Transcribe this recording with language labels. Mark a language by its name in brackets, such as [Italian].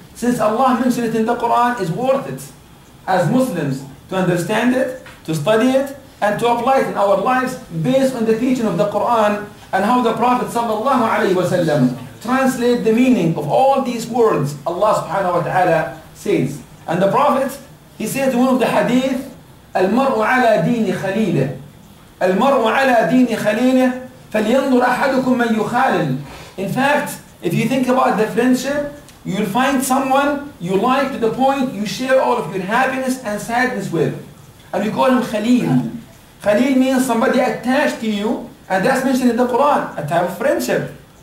[English] Since Allah mentioned it in the Quran, it's worth it as Muslims to understand it, to study it, and to apply it in our lives based on the teaching of the Quran and how the Prophet sallallahu alayhi wa sallam translate the meaning of all these words Allah subhanahu wa ta'ala says. And the Prophet, he says in one of the hadith, [Arabic] المرء على دين خليله، المرء على دين خليله، فلينظر أحدكم من يخالل. [English] In fact, if you think about the friendship, you'll find someone you like to the point you share all of your happiness and sadness with. And we call him خليل. خليل means somebody attached to you, and that's mentioned in the Quran, a type of friendship.